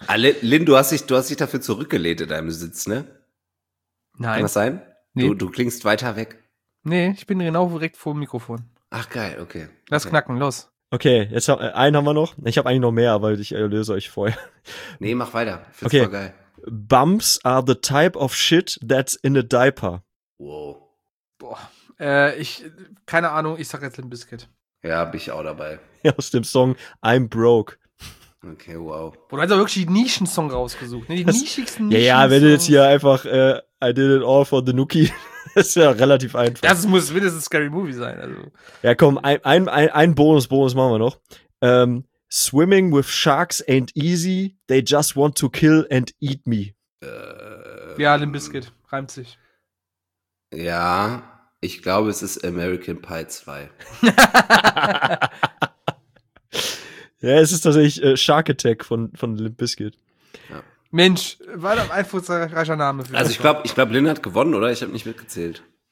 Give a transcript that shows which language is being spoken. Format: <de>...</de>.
<de>Ah, Lin, du hast dich dafür zurückgelehnt in deinem Sitz, ne? Nein. Kann das sein? Nee. Du klingst weiter weg. Nee, ich bin genau direkt vor dem Mikrofon. Ach geil, okay. Lass knacken, los. Okay, jetzt einen haben wir noch. Ich habe eigentlich noch mehr, aber ich erlöse euch vorher. Nee, mach weiter. Find's okay. Voll geil.</de> <en>Bumps are the type of shit that's in a diaper.</en> <de>Wow. Boah. Keine Ahnung, ich sag jetzt Limp Bizkit. Ja, bin ich auch dabei. Aus dem Song I'm Broke. Okay, wow. Boah, du hast doch wirklich die Nischen-Song rausgesucht, ne? Die das, nischigsten Nischen. Ja, wenn du jetzt hier einfach I did it all for the Nookie. Das ist ja relativ einfach. Das muss mindestens Scary Movie sein. Also. Ja, komm, ein Bonus machen wir noch.</de> <en>Swimming with sharks ain't easy. They just want to kill and eat me.</en> <de>Ja, Limp Bizkit. Reimt sich. Ja, ich glaube, es ist American Pie 2. Ja, es ist tatsächlich Shark Attack von Limp Bizkit. Ja. Mensch, war doch ein einflussreicher Name. Für also ich glaube, Lin hat gewonnen, oder? Ich habe nicht mitgezählt.</de>